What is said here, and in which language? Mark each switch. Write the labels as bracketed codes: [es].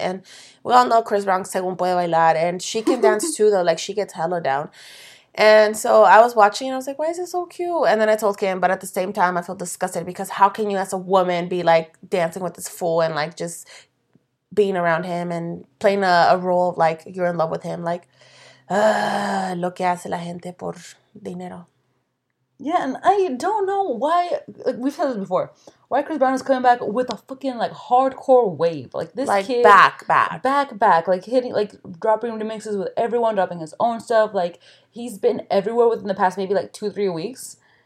[en] And we all know Chris Brown, Según Puede Bailar. And she can dance, too, though. Like, she gets hella down. And so I was watching, and I was like, why is it so cute? And then I told Kim, but at the same time, I felt disgusted. Because how can you, as a woman, be, like, dancing with this fool and, like, just being around him and playing a role of, like, you're in love with him? Like, [es] lo que hace la gente por dinero. [en] Yeah, and I don't know why, like, we've said this before, why Chris Brown is coming back with a fucking, like, hardcore wave. Like, this, like, kid. Back. Like, hitting, like, dropping remixes with everyone, dropping his own stuff. Like, he's been everywhere within the past maybe, like, 2-3 weeks.